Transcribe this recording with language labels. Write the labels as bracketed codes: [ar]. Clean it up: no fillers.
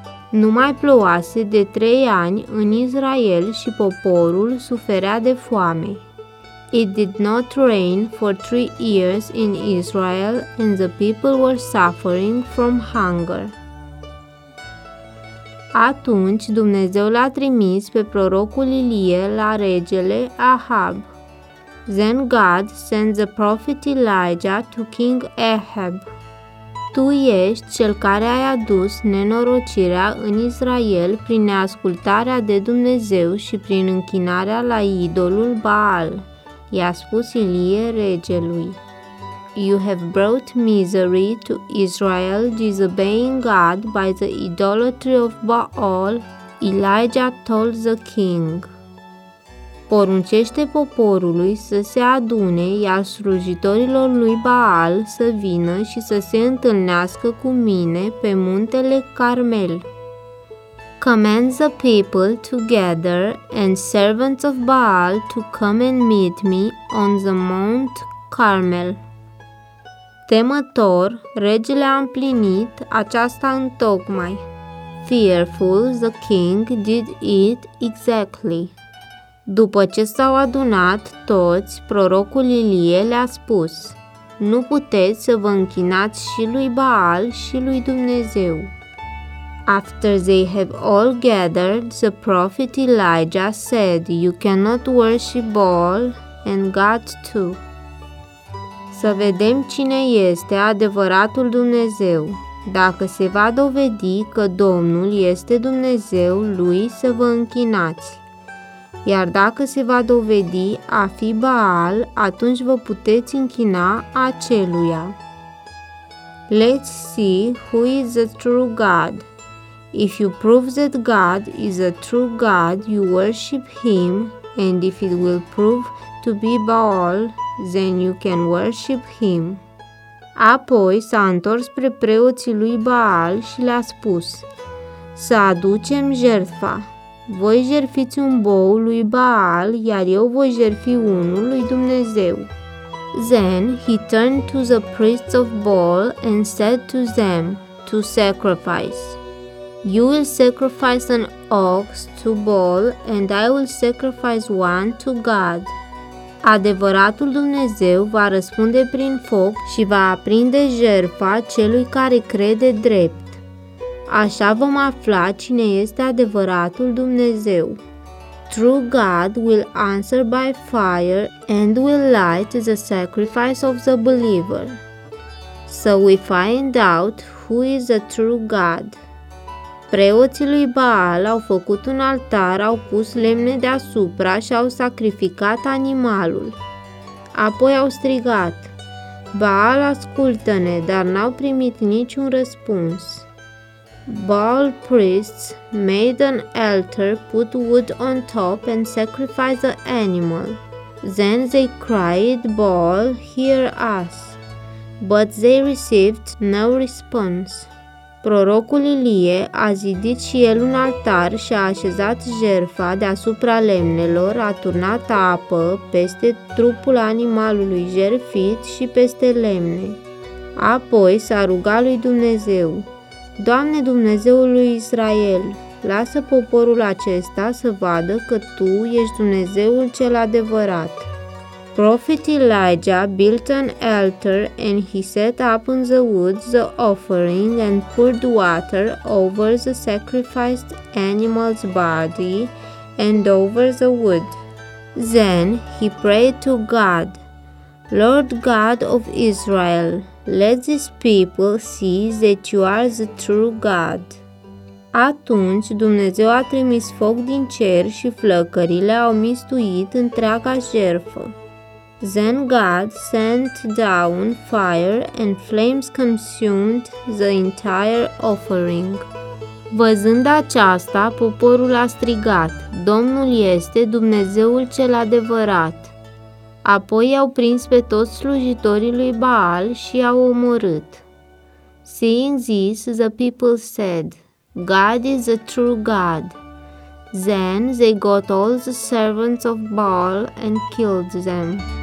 [ro] Nu mai plouase de 3 ani în Israel și poporul suferea de foame. [en] It did not rain for 3 years in Israel, and the people were suffering from hunger. [ro] Atunci Dumnezeu l-a trimis pe prorocul Ilie la regele Ahab. [en] Then God sent the prophet Elijah to King Ahab. [ro] Tu ești cel care ai adus nenorocirea în Israel prin neascultarea de Dumnezeu și prin închinarea la idolul Baal. I-a spus Ilie regelui, [en] You have brought misery to Israel, disobeying God by the idolatry of Baal, Elijah told the king. [ro] Poruncește poporului să se adune, iar slujitorilor lui Baal să vină și să se întâlnească cu mine pe muntele Carmel. [en] Command the people to gather and servants of Baal to come and meet me on the Mount Carmel. [ro] Temător, regele a împlinit aceasta întocmai. [en] Fearful, the king did it exactly. [ro] După ce s-au adunat toți, prorocul Ilie le-a spus, Nu puteți să vă închinați și lui Baal și lui Dumnezeu. [en] After they have all gathered, the prophet Elijah said, You cannot worship Baal and God too. [ro] Să vedem cine este adevăratul Dumnezeu. Dacă se va dovedi că Domnul este Dumnezeu, lui să vă închinați. Iar dacă se va dovedi a fi Baal, atunci vă puteți închina aceluia. [en] Let's see who is the true God. If you prove that God is a true God, you worship Him, and if it will prove to be Baal, then you can worship Him. [ro] Apoi s-a întors spre preoții lui Baal și le-a spus, Să aducem jertfa. Voi jertfiți un bou lui Baal, iar eu voi jertfi unul lui Dumnezeu. [en] Then he turned to the priests of Baal and said to them, To sacrifice. You will sacrifice an ox to Baal and I will sacrifice one to God. [ro] Adevăratul Dumnezeu va răspunde prin foc și va aprinde jertfa celui care crede drept. Așa vom afla cine este adevăratul Dumnezeu. [en] True God will answer by fire and will light the sacrifice of the believer. So we find out who is the true God. [ro] Preoții lui Baal au făcut un altar, au pus lemne deasupra și au sacrificat animalul. Apoi au strigat, Baal, ascultă-ne, dar n-au primit niciun răspuns. [en] Baal priests made an altar, put wood on top and sacrificed the animal. Then they cried, Baal, hear us. But they received no response. [ro] Prorocul Ilie a zidit și el un altar și a așezat jertfa deasupra lemnelor, a turnat apă peste trupul animalului jertfit și peste lemne. Apoi s-a rugat lui Dumnezeu, Doamne Dumnezeul lui Israel, lasă poporul acesta să vadă că Tu ești Dumnezeul cel adevărat. [en] Prophet Elijah built an altar and he set up in the woods the offering and poured water over the sacrificed animal's body and over the wood. Then he prayed to God, Lord God of Israel, let these people see that you are the true God. [ro] Atunci Dumnezeu a trimis foc din cer și flăcările au mistuit întreaga jertfă. [en] Then God sent down fire and flames consumed the entire offering. [ro] Văzând aceasta, poporul a strigat, Domnul este Dumnezeul cel adevărat. Apoi i-au prins pe toți slujitorii lui Baal și i-au omorât. [en] Seeing this, the people said, God is the true God. Then they got all the servants of Baal and killed them.